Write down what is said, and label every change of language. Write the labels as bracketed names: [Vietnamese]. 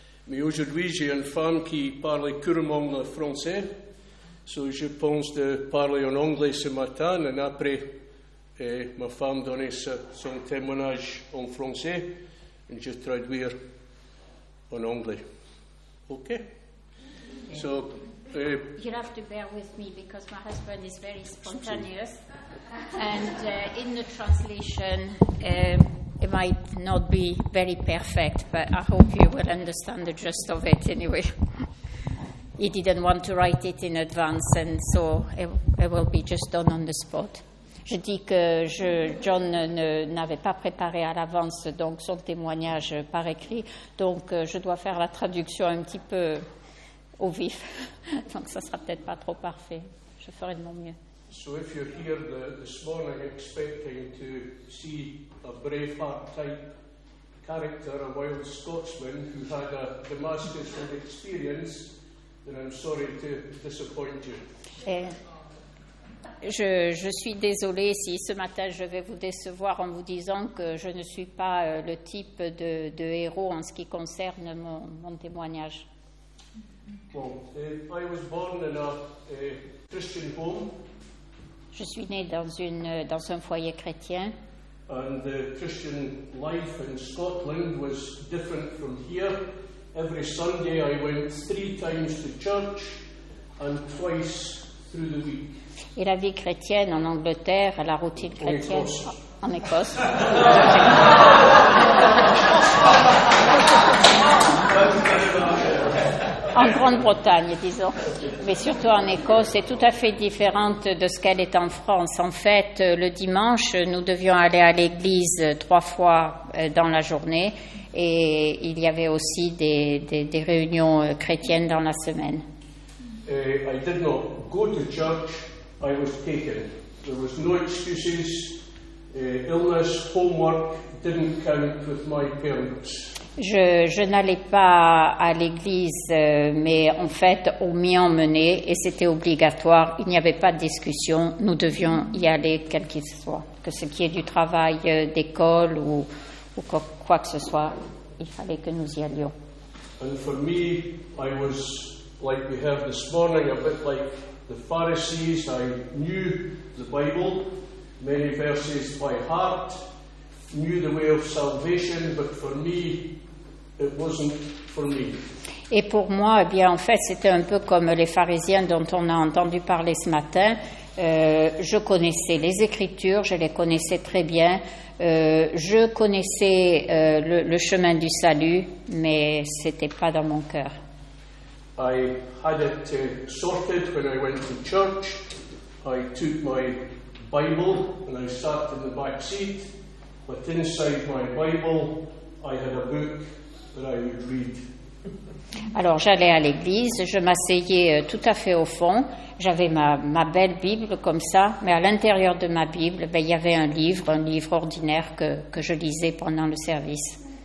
[French] Mais aujourd'hui j'ai une femme qui parle couramment le français, donc je pense de parler en anglais ce matin et après ma femme donner son témoignage en français et je traduire en anglais. [English] Ok? So, you'll have to bear with me because my husband is very spontaneous and in the translation it might not be very perfect, but I hope you will understand the gist of it anyway. He didn't want to write it in advance and so it will be just done on the spot. [French] Je dis que John n'avait pas préparé à l'avance donc son témoignage par écrit, donc je dois faire la traduction un petit peu au vif, donc ça sera peut-être pas trop parfait. Je ferai de mon mieux. [English] So if you're here this morning expecting to see a Braveheart type character, a wild Scotsman who had a Damascus experience, then I'm sorry to disappoint you. [French] Je suis désolée si ce matin je vais vous décevoir en vous disant que je ne suis pas le type de héros en ce qui concerne mon témoignage. [English] Well, I was born in a Christian home. [French] Je suis née dans un foyer chrétien. [English] And the Christian life in Scotland was different from here. Every Sunday I went 3 times to church and twice through the week. [French] Et la vie chrétienne en Angleterre, la routine chrétienne en Écosse. En Grande-Bretagne, disons, mais surtout en Écosse, c'est tout à fait différente de ce qu'elle est en France. En fait, le dimanche, nous devions aller à l'église 3 fois dans la journée et il y avait aussi des réunions chrétiennes dans la semaine. [English] I did not go to church, I was taken. There was no excuses, illness, homework didn't count with my parents. [French] Je n'allais pas à l'église, mais en fait, on m'y emmenait et c'était obligatoire. Il n'y avait pas de discussion. Nous devions y aller, quel qu'il soit. Que ce qui est du travail d'école ou quoi que ce soit, il fallait que nous y allions. [English] And for me, I was like we have this morning, a bit like the Pharisees. I knew the Bible, many verses by heart. Knew the way of salvation, but for me, it wasn't for me. [French] Et pour moi, eh bien, en fait, c'était un peu comme les pharisiens dont on a entendu parler ce matin. Je connaissais les Écritures, je les connaissais très bien. Je connaissais le chemin du salut, mais c'était pas dans mon cœur. [English] I had it sorted when I went to church. I took my Bible and I sat in the back seat. But inside my Bible, I had a book that I would read. [French] Alors j'allais à l'église, je m'asseyais tout à fait au fond, j'avais ma belle Bible comme ça, mais à l'intérieur de ma Bible, ben, il y avait un livre ordinaire que je lisais pendant le service.